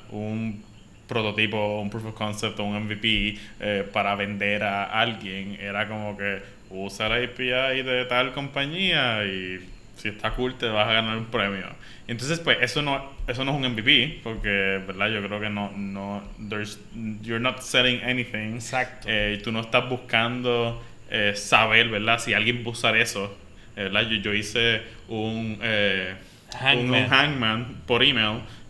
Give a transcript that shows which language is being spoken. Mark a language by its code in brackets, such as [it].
[es] Un prototipo, un proof of concept o un MVP para vender a alguien. Era como que usa la API de tal compañía y si está cool te vas a ganar un premio. Entonces, pues, eso no es un MVP porque, ¿verdad? Yo creo que no [en] there's, you're not selling anything. [es] Exacto. Y tú no estás buscando... saber, ¿verdad? Si alguien va a usar eso, ¿verdad? Yo hice un hangman por email.